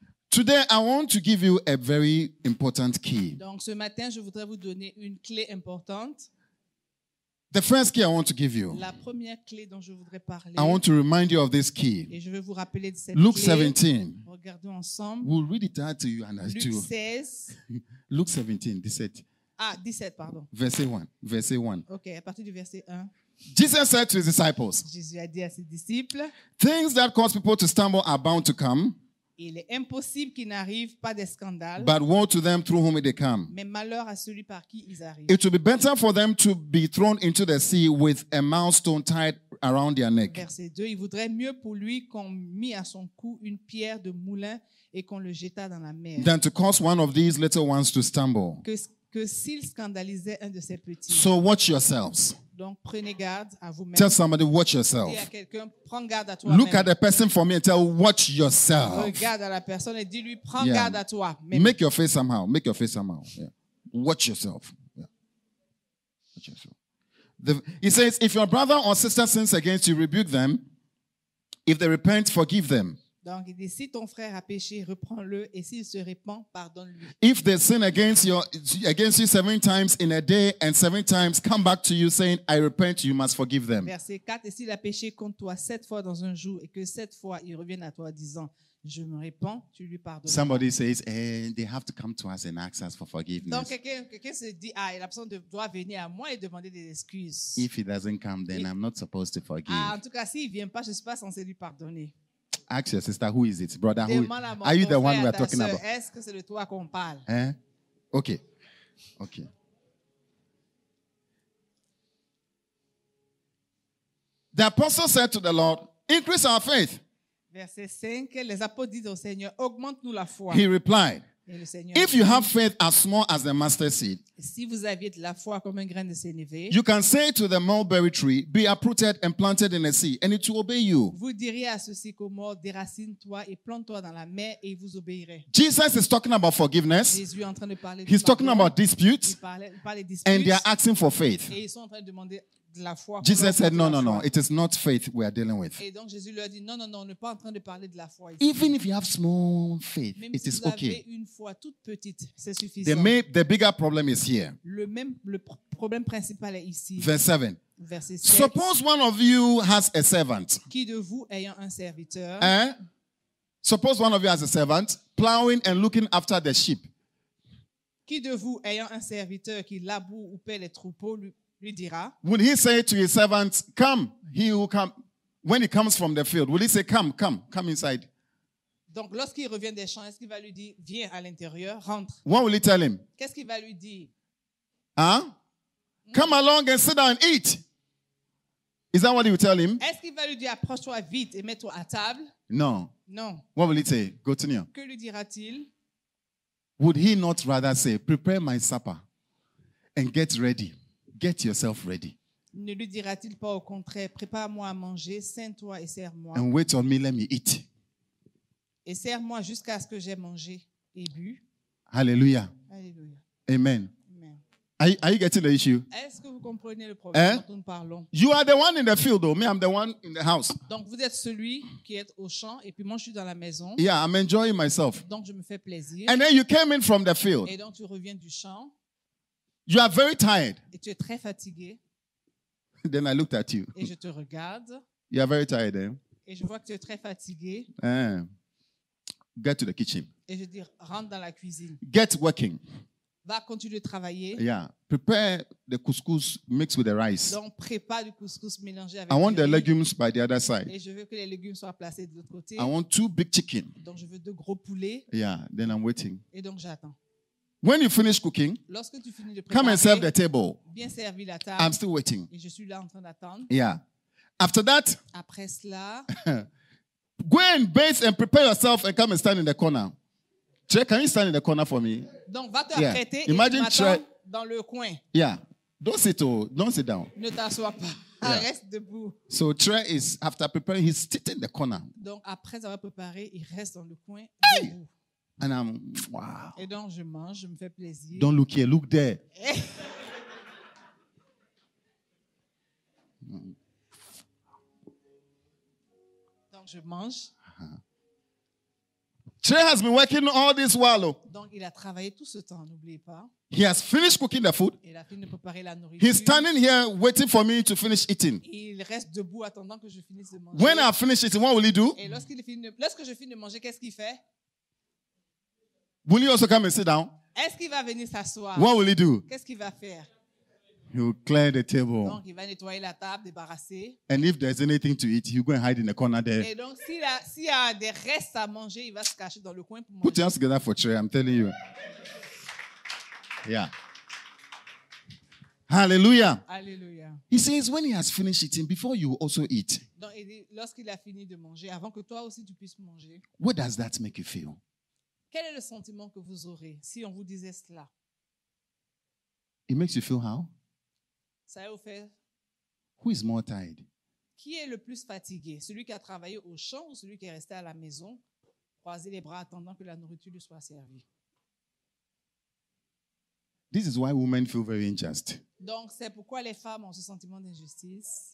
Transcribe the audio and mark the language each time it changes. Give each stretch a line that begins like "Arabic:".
English: Today I want to give you a very important key.
French: Donc ce matin, je voudrais vous donner une clé importante.
English: The first key I want to give you.
French: La première clé dont je voudrais parler.
English: I want to remind you of this key.
French: Et je veux vous rappeler de cette Luke clé. 17. Regardons ensemble.
English: We'll read it out to you and as to. Luke 17, 17.
French: Ah, 17, pardon. Verset 1. Okay, à partir du verset 1.
English: Jesus said to his disciples.
French: Jésus a dit à ses disciples.
English: Things that cause people to stumble are bound to come.
French: Il est impossible qu'il n'arrive pas des scandales.
English: But woe to them through whom they come.
French: Mais malheur à celui par qui ils arrivent.
English: It will be better for them to be thrown into the sea with a millstone tied around their neck.
French: Verset 2, il voudrait mieux pour lui qu'on mît à son cou une pierre de moulin et qu'on le jeta dans la mer.
English: Than to cause one of these little ones to stumble.
French: Que s'il scandalisait un de ces petits.
English: So watch yourselves.
French: Donc prenez garde à vous-même.
English: Tell somebody watch yourself.
French: Dis à quelqu'un prends garde à toi.
English: Look at the person for me and tell watch yourself.
French: Regarde à la personne et dis-lui prends yeah. garde à toi.
English: Même. Make your face somehow. Make your face somehow. Yeah. Watch yourself. Yeah. Watch yourself. He says, if your brother or sister sins against you, rebuke them. If they repent, forgive them.
French: Donc il dit si ton frère a péché, reprends-le et s'il se repent, pardonne-lui.
English: If they sin against you 7 times in a day and 7 times come back to you saying I repent, you must forgive them.
French: Verset 4, et s'il a péché contre toi 7 fois dans un jour et que 7 fois il revienne à toi disant je me repens, tu lui pardonnes.
English: Somebody says they have to come to us and ask us for forgiveness.
French: Donc quelqu'un se dit ah la personne doit venir à moi et demander des excuses.
English: If he doesn't come then I'm not supposed to forgive.
French: Ah en tout cas s'il vient pas, je suis pas censé lui pardonner.
English: Ask your sister, who is it? Brother, who? Are you the one we are talking about?
French: Est-ce que c'est de toi qu'on parle? Hein? Okay. Okay.
English: The apostle said to the Lord, increase our faith.
French: Verset 5, les apôtres disent au Seigneur, augmente-nous la foi.
English: He replied,
French: et le Seigneur,
English: if you have faith as small as the mustard seed,
French: si vous aviez de la foi comme un grain de sénévé,
English: you can say to the mulberry tree, be uprooted and planted in the sea, and it will obey you.
French: Vous diriez à ce sycomore, déracine-toi et plante-toi dans la mer, et il vous obéirait.
English: Jesus is talking about forgiveness.
French: Jésus est en train de parler.
English: He's talking about disputes.
French: Il parle des disputes.
English: And they are asking for faith.
French: Et ils sont en train de demander de la foi.
English: Jesus said, no, it is not faith we are dealing with.
French: Et donc Jésus leur dit, non, on n'est pas en train de parler de la foi.
English: Even if you have small faith,
French: même
English: it
French: si
English: is okay.
French: Même si vous avez une foi toute petite, c'est suffisant.
English: The bigger problem is here.
French: Le problème principal est ici. Verset 7.
English: Suppose one of you has a servant.
French: Qui de vous ayant un serviteur? Hein?
English: Suppose one of you has a servant plowing and looking after the sheep.
French: Qui de vous ayant un serviteur qui laboure ou paie les troupeaux lui dira?
English: Would he say to his servant, "Come, he who come when he comes from the field"? Will he say, "Come inside"?
French: Donc, lorsqu'il revient des champs, est-ce qu'il va lui dire, viens à l'intérieur, rentre?
English: What will he tell him?
French: Qu'est-ce qu'il va lui dire? Hein?
English: Come along and sit down and eat. Is that what he will tell him?
French: Est-ce qu'il va lui dire, approche-toi vite et mets-toi à table?
English: Non. What will he say? Continue.
French: Que lui dira-t-il?
English: Would he not rather say, prepare my supper and get ready? Get yourself ready.
French: Ne lui dira-t-il pas au contraire, prépare-moi à manger, sers-toi et sers-moi.
English: And wait on me, let me eat.
French: Et sers-moi jusqu'à ce que j'ai mangé et bu. Alléluia. Amen.
English: Are you getting the issue?
French: Est-ce que vous comprenez le problème hein? Dont nous parlons?
English: You are the one in the field, though. Me, I'm the one in the house.
French: Donc vous êtes celui qui est au champ et puis moi je suis dans la maison.
English: Yeah, I'm enjoying myself.
French: Donc je me fais plaisir.
English: And then you came in from the field.
French: Et donc tu reviens du champ.
English: You are very tired.
French: Et tu es très fatigué.
English: Then I looked at you.
French: Et je te regarde.
English: You are very tired, hein?
French: Et je vois que tu es très fatigué.
English: Hein? Get to the kitchen.
French: Et je dis, rentre dans la cuisine.
English: Get working.
French: Va continuer de travailler. Yeah.
English: Prepare the couscous mixed with the rice.
French: Donc prépare du couscous mélangé avec le riz.
English: I want the legumes by the other side.
French: Et je veux que les légumes soient placés de l'autre côté.
English: I want two big chicken.
French: Donc je veux deux gros poulets.
English: Yeah, then I'm waiting.
French: Et donc j'attends.
English: When you finish cooking,
French: lorsque tu finis de préparer,
English: come and serve the table.
French: Bien servi la table.
English: I'm still waiting.
French: Et je suis là en train d'attendre.
English: Yeah. After that,
French: après cela,
English: go and bathe and prepare yourself and come and stand in the corner. Che, can you stand in the corner for me?
French: Donc va te apprêter. Yeah. Imagine Che dans le coin.
English: Yeah. Don't sit. Don't sit down.
French: Ne t'assois pas. Yeah. Reste debout.
English: So Che is after preparing, he's sitting in the corner.
French: Donc après avoir préparé, il reste dans le coin.
English: Hey! And I'm wow.
French: Et donc je mange, je me fais plaisir.
English: Don't look here, look there.
French: Donc je mange.
English: Che has been working all this while.
French: Donc il a travaillé tout ce temps, n'oubliez pas.
English: He has finished cooking the food.
French: Il a fini de préparer la nourriture.
English: He's standing here waiting for me to finish eating.
French: Il reste debout attendant que je finisse de manger.
English: When I finish eating, what will he do?
French: Et lorsque je finis de manger, qu'est-ce qu'il fait?
English: Will he also come and sit down?
French: Est-ce qu'il va venir s'asseoir?
English: What will he do?
French: Qu'est-ce qu'il va faire?
English: He'll clear the table.
French: Donc il va nettoyer la table, débarrasser.
English: And if there's anything to eat, he'll go and hide in the corner there.
French: Et donc s'il y a des restes à manger, il va se cacher dans le coin pour manger.
English: Put your hands together for Trey, I'm telling you. Yeah. Hallelujah. Hallelujah. He says when he has finished eating, before you also eat.
French: Donc il dit, lorsqu'il a fini de manger, avant que toi aussi tu puisses manger.
English: What does that make you feel?
French: Quel est le sentiment que vous aurez si on vous disait cela?
English: It makes you feel how?
French: Ça va vous faire.
English: Who is more tired?
French: Qui est le plus fatigué? Celui qui a travaillé au champ ou celui qui est resté à la maison, croisé les bras attendant que la nourriture lui soit servie?
English: This is why women feel very unjust.
French: Donc, c'est pourquoi les femmes ont ce sentiment d'injustice.